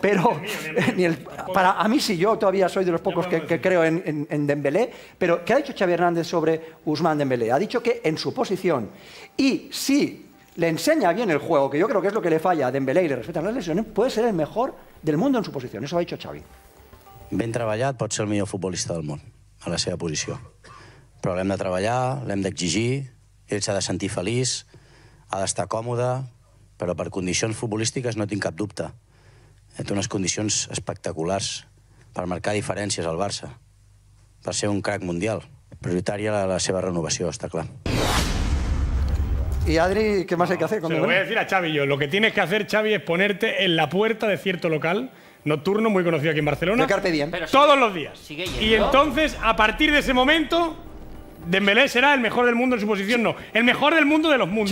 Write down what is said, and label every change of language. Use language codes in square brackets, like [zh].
[es] Pero yo todavía soy de los pocos que creo en Dembélé. Pero, ¿qué ha dicho Xavi Hernández sobre Ousmane Dembélé? Ha dicho que en su posición, y si le enseña bien el juego, que yo creo que es lo que le falla a Dembélé y le respetan las lesiones, puede ser el mejor del mundo en su posición. Eso ha dicho Xavi. [ca] Ben treballat pot ser el millor futbolista del món a la seva posició. Però l'hem de treballar, l'hem d'exigir, ell s'ha de sentir feliç, ha d'estar còmode, però per condicions futbolístiques no tinc cap dubte. Té unes condicions espectaculars per marcar diferències al Barça, per ser un crac mundial. Prioritària la seva renovació, està clar. [es] Y Adri, ¿qué más hay que hacer? Se lo voy a decir a Xavi yo. Lo que tienes que hacer, Xavi, es ponerte en la puerta de cierto local nocturno muy conocido aquí en Barcelona. De Carpe Diem. Todos los días. Y entonces, a partir de ese momento, Dembélé será el mejor del mundo en su posición. No, el mejor del mundo de los mundos.